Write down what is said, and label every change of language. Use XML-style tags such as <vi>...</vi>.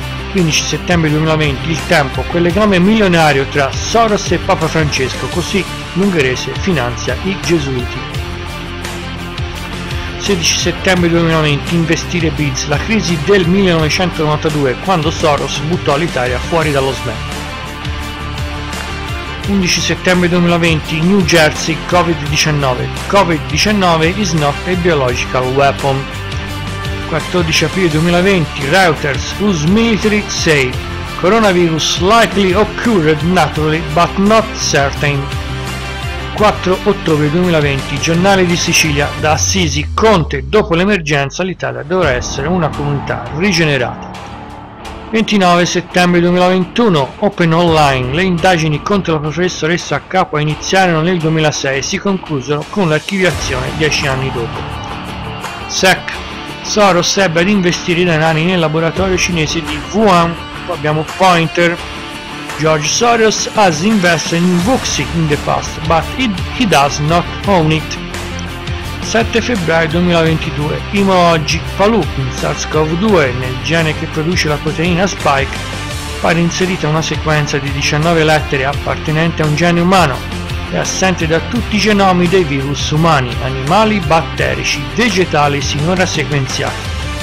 <it>15 settembre 2020, Il Tempo, quel legame milionario tra Soros e Papa Francesco, così l'ungherese finanzia i gesuiti. 16 settembre 2020, Investire Bids, la crisi del 1992, quando Soros buttò l'Italia fuori dallo SME. 11 settembre 2020, New Jersey, Covid-19.</it> <en>Covid-19 is not a biological weapon. 14 aprile 2020, Reuters, US military say, coronavirus likely occurred naturally but not certain.</en> <it>4 ottobre 2020, Giornale di Sicilia, da Assisi, Conte, dopo l'emergenza l'Italia dovrà essere una comunità rigenerata. 29 settembre 2021, Open Online, le indagini contro la professoressa Capua iniziarono nel 2006 e si conclusero con l'archiviazione 10 anni dopo. SEC, Soros ebbe ad investire denari nel laboratorio cinese di Wuhan, poi abbiamo Pointer.</it> <en>George Soros has invested in Vuxi in the past, but he does not own it.</en> <it>7 febbraio 2022, Imoji, Palù, in SARS-CoV-2, nel gene che produce la proteina Spike, pare inserita una sequenza di 19 lettere appartenente a un gene umano e assente da tutti i genomi dei virus umani, animali, batterici, vegetali sinora sequenziati.</it>